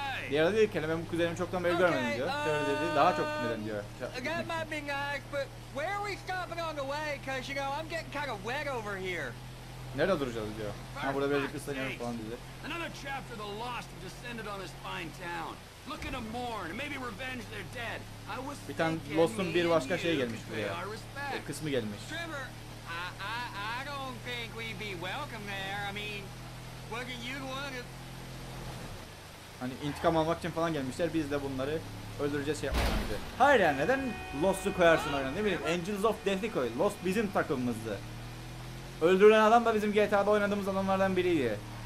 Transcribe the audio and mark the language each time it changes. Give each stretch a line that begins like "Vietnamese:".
Turkish: Diğer dedi ki ben bu kuzenimi çoktan beri görmedim diyor. Trevor dedi daha çok neden diyor.
English: That might be nice, but where are we stopping on the way? Cause you know I'm getting kind of wet over here.
Turkish: Nerede duracağız diyor. Ha, burada birazcık ıslanıyorum falan dedi.
English: Another chapter of the lost descended on this fine town. Looking to mourn, maybe revenge their dead. I was
Turkish: bir tane Lost'un bir başka şeye gelmiş buraya. Kısmı gelmiş.
English: Trevor, I don't think we'd be welcome there. I mean, wouldn't you want to?
Turkish: Hani intikam almak için falan gelmişler, biz de bunları öldüreceğiz şey yapmamıştı. Hayır yani neden Lost'u koyarsın oyuna, ne bileyim, Angels of Death'i koy. Lost bizim takımımızdı. Öldürülen adam da bizim GTA'da oynadığımız adamlardan biriydi.